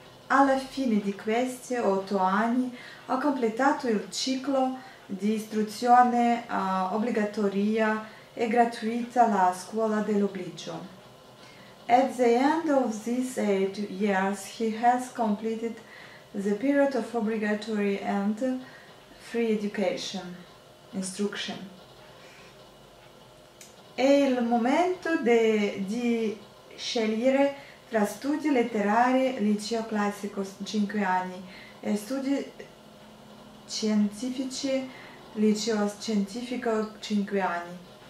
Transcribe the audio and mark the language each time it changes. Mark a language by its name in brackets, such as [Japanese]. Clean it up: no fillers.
[Italian] Alla fine di questi 8 anni ho completato il ciclo di istruzione obbligatoria e gratuita alla scuola dell'obbligo. [English] At the end of these 8 years, he has completed the period of obligatory and free education, instruction. [Italian] È il momento di scegliere tra studi letterari, liceo classico 5 anni, e studi scientifici, liceo scientifico 5 anni.